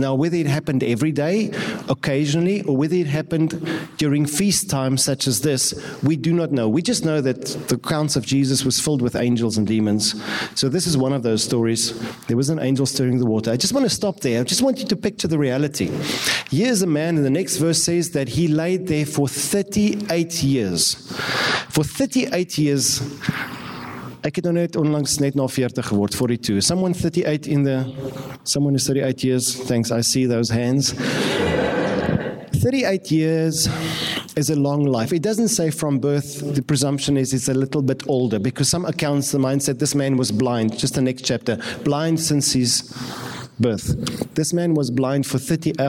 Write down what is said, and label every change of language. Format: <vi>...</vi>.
<en>Now, whether it happened every day, occasionally, or whether it happened during feast times such as this, we do not know. We just know that the accounts of Jesus was filled with angels and demons. So this is one of those stories. There was an angel stirring the water. I just want to stop there. I just want you to picture the reality. Here's a man, and the next verse says that he laid there for 38 years. For 38 years...</en> <af>Ek het net onlangs net na 40 geword, 42.</af> <en>Someone 38 in the... Someone is 38 years. Thanks, I see those hands. 38 years is a long life. It doesn't say from birth. The presumption is it's a little bit older, because some accounts, the mindset, this man was blind. Just the next chapter. Blind since his birth. This man was blind for 30...</en>